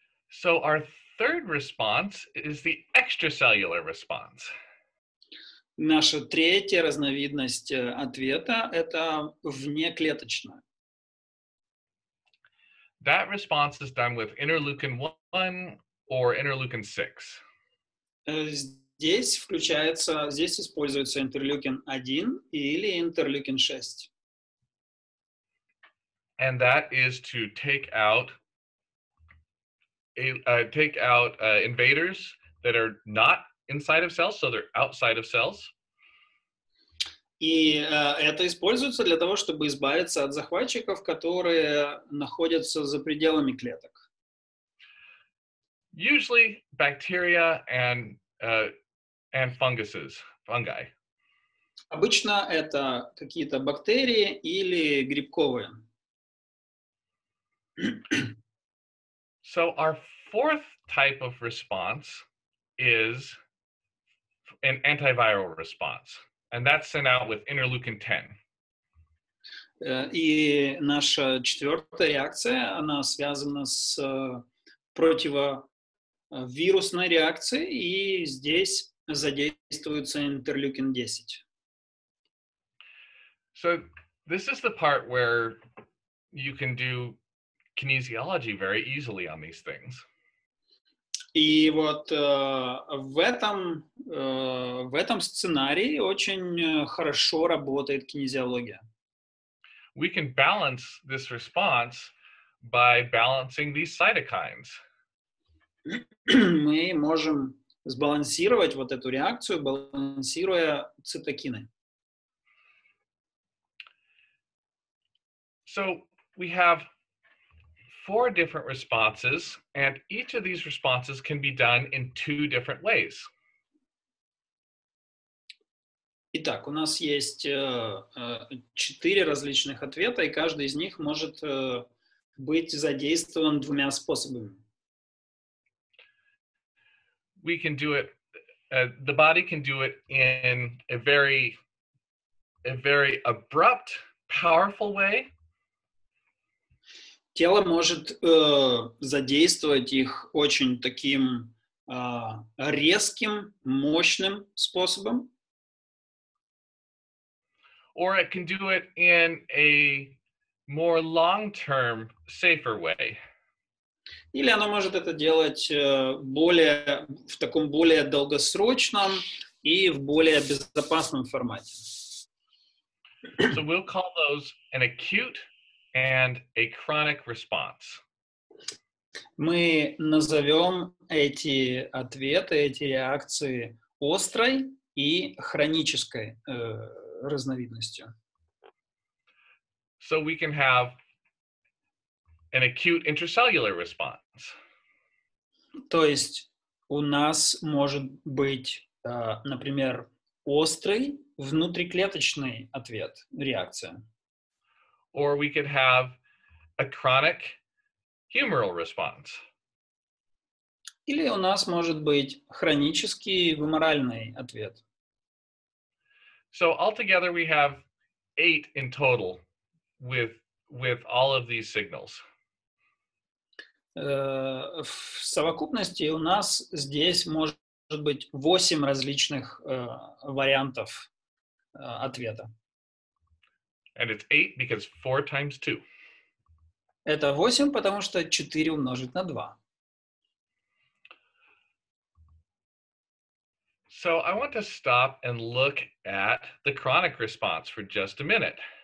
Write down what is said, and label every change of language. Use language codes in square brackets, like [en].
[en] So our third response is the extracellular response. [ru] Наша третья разновидность ответа — это внеклеточная. [en] That response is done with interleukin 1 or interleukin 6. [ru] Здесь используется интерлюкин 1 или интерлюкин 6. [en] And that is to take out invaders that are not inside of cells, so they're outside of cells. [ru] И это используется для того, чтобы избавиться от захватчиков, которые находятся за пределами клеток. [en] Usually bacteria and funguses, fungi. [ru] Обычно это какие-то бактерии или грибковые. [en] So our fourth type of response is an antiviral response, and that's sent out with interleukin 10. [ru] И наша четвертая реакция, она связана с противовирусной реакцией, и здесь задействуется интерлюкин 10. [en] So this is the part where you can do kinesiology very easily on these things. [ru] И вот в этом сценарии очень хорошо работает кинезиология. [en] We can balance this response by balancing these cytokines. [ru] Мы можем сбалансировать вот эту реакцию, балансируя цитокины. [en] So we have four different responses, and each of these responses can be done in two different ways. [ru] Итак, у нас есть четыре различных ответа, и каждый из них может быть задействован двумя способами. [en] We can do it, the body can do it in a very abrupt, powerful way. [ru] Тело может задействовать их очень таким резким, мощным способом. [en] Or it can do it in a more long-term, safer way. [ru] Или оно может это делать более в таком более долгосрочном и в более безопасном формате. [en] So we'll call those an acute and a chronic response. [ru] Мы назовем эти ответы, эти реакции острой и хронической разновидностью. [en] So we can have an acute intracellular response. [ru] То есть у нас может быть, например, острый внутриклеточный ответ, реакция. [en] Or we could have a chronic humoral response. [ru] Или у нас может быть хронический гуморальный ответ. [en] So altogether we have 8 in total with all of these signals. [ru] В совокупности у нас здесь может быть 8 различных вариантов ответа. [en] And it's 8 because 4 times 2. [ru] Это 8, потому что 4 умножить на 2. [en] So I want to stop and look at the chronic response for just a minute.